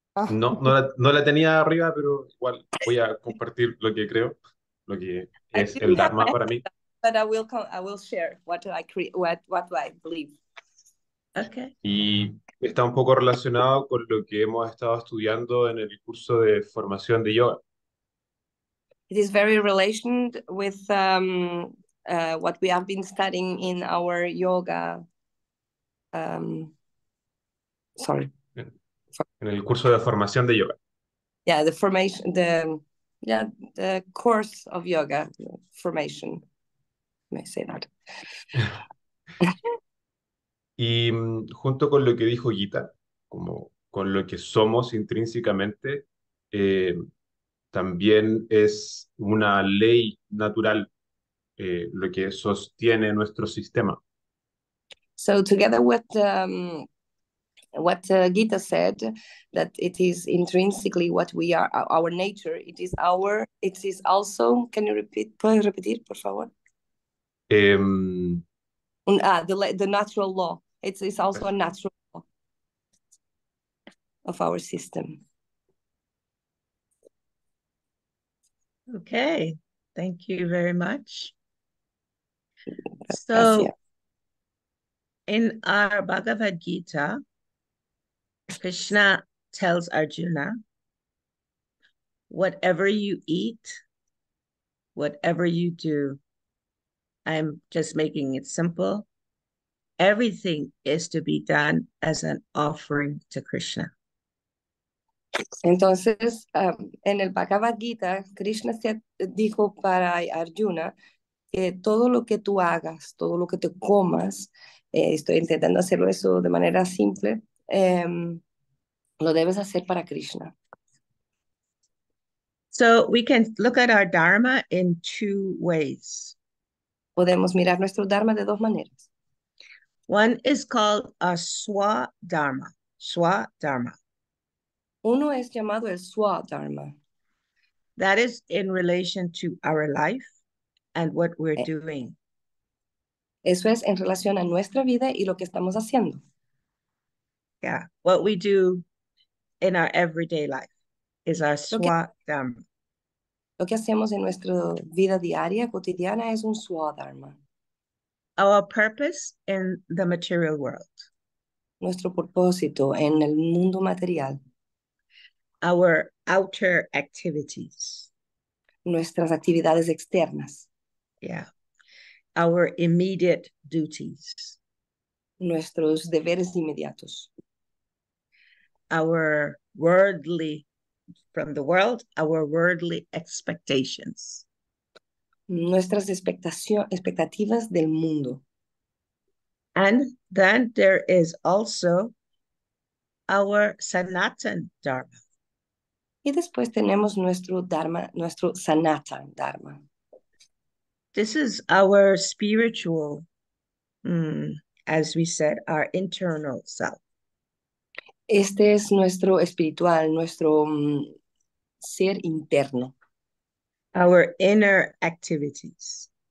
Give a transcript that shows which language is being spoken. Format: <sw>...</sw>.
<es>No la tenía arriba, pero igual voy a compartir lo que creo, lo que es el Dharma para mí.</es> <en>But I will share what I believe. Okay.</en> <es>Y está un poco relacionado con lo que hemos estado estudiando en el curso de formación de yoga.</es> <en>It is very related with what we have been studying in our yoga.</en> <es>En el curso de formación de yoga.</es> <en>Yeah, the course of yoga formation. May I say that?</en> <es>Y junto con lo que dijo Gita, como con lo que somos intrínsecamente, también es una ley natural lo que sostiene nuestro sistema.</es> <en>So together with what Gita said, that it is intrinsically what we are, our nature, it is also, can you repeat,</en> <es>puedes repetir, por favor?</es> <en>The natural law. It's also a natural law of our system. Okay, thank you very much. So, in our Bhagavad Gita, Krishna tells Arjuna, whatever you eat, whatever you do, I'm just making it simple, everything is to be done as an offering to Krishna.</en> <es>Entonces, en el Bhagavad Gita, Krishna dijo para Arjuna que todo lo que tú hagas, todo lo que te comas, estoy intentando hacerlo eso de manera simple, lo debes hacer para Krishna.</es> <en>So we can look at our Dharma in two ways.</en> <es>Podemos mirar nuestro Dharma de dos maneras.</es> <en>One is called a Swadharma. Swadharma.</en> <es>Uno es llamado el Swadharma.</es> <en>That is in relation to our life and what we're doing.</en> <es>Eso es en relación a nuestra vida y lo que estamos haciendo.</es> <en>Yeah, what we do in our everyday life is our Swadharma.</en> <es>Lo que hacemos en nuestra vida diaria, cotidiana, es un Swadharma.</es> <en>Our purpose in the material world.</en> <es>Nuestro propósito en el mundo material.</es> <en>Our outer activities.</en> <es>Nuestras actividades externas.</es> <en>Yeah. Our immediate duties.</en> <es>Nuestros deberes inmediatos.</es> <en>Our worldly, from the world, our worldly expectations.</en> <es>Nuestras expectativas del mundo.</es> <en>And then there is also our Sanatan Dharma.</en> <es>Y después tenemos nuestro Dharma, nuestro Sanatan Dharma.</es> <en>This is our spiritual, as we said, our internal self.</en> <es>Este es nuestro espiritual, nuestro ser interno.</es> <en>Our inner activities.</en>